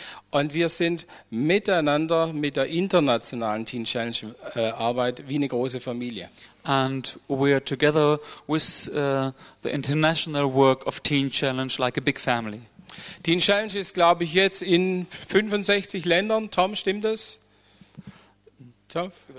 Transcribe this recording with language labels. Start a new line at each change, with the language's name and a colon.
German: Und wir sind miteinander mit der internationalen Teen Challenge Arbeit wie eine große Familie.
English: And we are together with the international work of Teen Challenge like a big family.
German: Teen Challenge ist, glaube ich, jetzt in 65 Ländern. Tom, stimmt das? Tom?